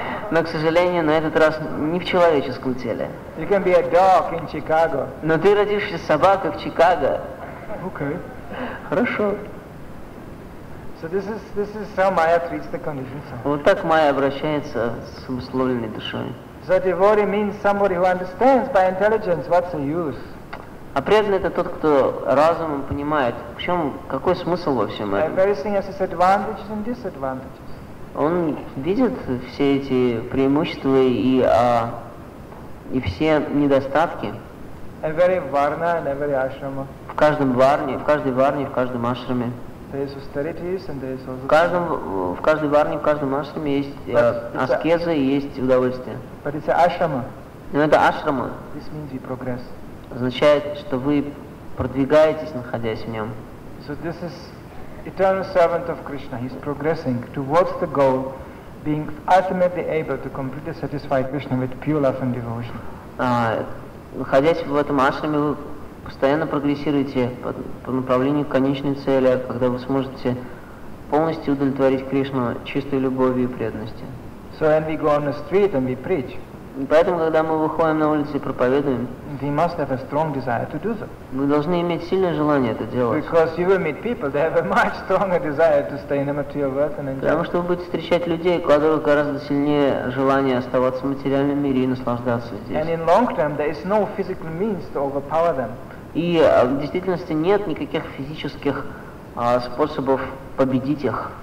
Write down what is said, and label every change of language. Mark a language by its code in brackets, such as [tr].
[ru] Но, к сожалению, на этот раз не в человеческом теле. [en] You can be a dog in Chicago. [ru] Но ты родишься собакой в Чикаго. [en] Okay. [ru] Хорошо. [en] So this is how Maya treats the conditioned soul. [ru] Вот так Майя обращается с обусловленной душой. [en] So devotee means somebody who understands by intelligence what's the use. [ru] А преданный — это тот, кто разумом понимает, в чем, какой смысл во всем этом. [en] Everything has its advantages and disadvantages. [ru] Он видит все эти преимущества и все недостатки. [en] Every varna and every ashrama. [ru] В каждом варне, в каждой варне, в каждом ашраме. [en] There is austerities and there is also. [ru] В каждой варне, в каждом ашраме есть аскеза и есть удовольствие. [en] But it's ashrama. [ru] Но это ашрама. [en] This means we progress. [ru] Означает, что вы продвигаетесь, находясь в нем. [en] So this is eternal servant of Krishna. He's progressing towards the goal, being ultimately able to completely satisfy Krishna with pure love and devotion. [ru] Находясь в этом ашраме, вы постоянно прогрессируете по направлению к конечной цели, когда вы сможете полностью удовлетворить Кришну чистой любовью и преданностью. [en] So when we go on the street and we preach. [ru] Поэтому, когда мы выходим на улицу и проповедуем, [en] we must have a strong desire to do so. [ru] Мы должны иметь сильное желание это делать. [en] Because you will meet people, they have a much stronger desire to stay in the material world and enjoy. [ru] Потому что вы будете встречать людей, у которых гораздо сильнее желание оставаться в материальном мире и наслаждаться здесь. [en] And in long term, there is no physical means to overpower them. [ru] И в действительности нет никаких физических способов победить их.